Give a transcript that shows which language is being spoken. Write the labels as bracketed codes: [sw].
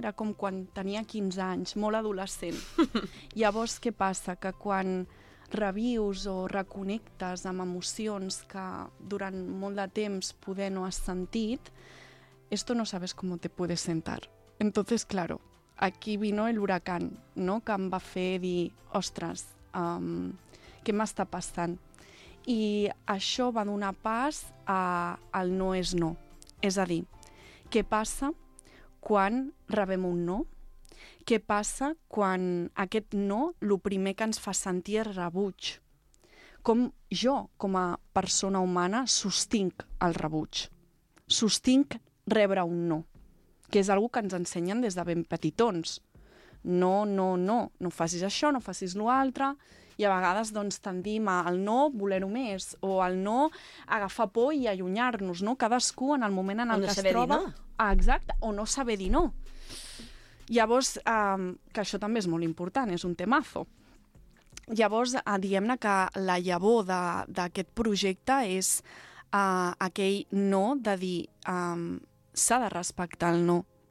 [ca] Era com quan tenia 15 anys, molt adolescent. Llavors, què passa? Que quan revius o reconnectes amb emocions que durant molt de temps poder no has sentit... [es] Esto no sabes cómo te puedes sentar. Entonces, claro, aquí vino el huracán, ¿no? [ca] Que em va fer dir, ostres, què m'està passant? I això va donar pas al no és no. És a dir, què passa quan rebem un no? què passa quan aquest no, el primer que ens fa sentir és rebuig. Com jo, com a persona humana, sostinc el rebuig. Sostinc rebre un no, que és algo que ens ensenyen des de ben petitons. No, no, no, no facis això, no facis l'altre. I a vegades doncs, tendim al no voler-ho més, o al no agafar por i allunyar-nos, no? Cadascú en el moment en el que es troba... Exacte, o no saber dir no. Llavors, que això també és molt important, és un temazo. Llavors, diguem-ne que la llavor d'aquest projecte és aquell no de dir s'ha de respectar el no.